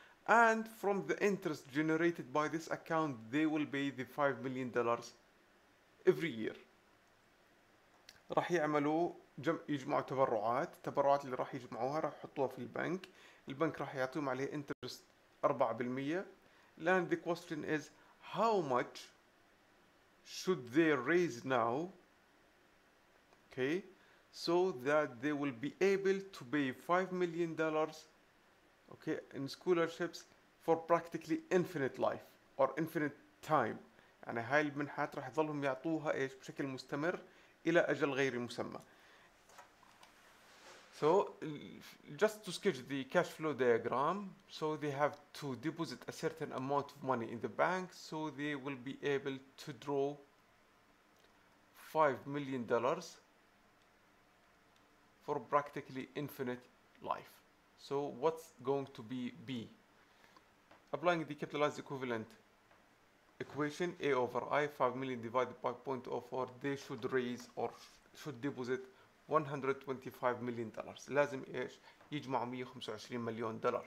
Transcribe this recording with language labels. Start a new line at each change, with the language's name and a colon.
English: And from the interest generated by this account, they will pay the $5 million every year.
Arabic: راح يعملوا يجمعوا تبرعات، التبرعات اللي راح يجمعوها راح يحطوها في البنك، البنك راح يعطيهم عليه interest 4%.
English: Then the question is, how much should they raise now? Okay, so that they will be able to pay $5 million. Okay, in scholarships for practically infinite life or infinite time.
Arabic: يعني هاي المنحات راح يظلهم يعطوها ايش بشكل مستمر الى اجل غير مسمى.
English: So just to sketch the cash flow diagram, so they have to deposit a certain amount of money in the bank so they will be able to draw $5 million for practically infinite life. So what's going to be B? Applying the capitalized equivalent equation, A over I, 5 million divided by 0.04, they should raise or should deposit $125 million.
Arabic: لازم إيش يجمع $125 million.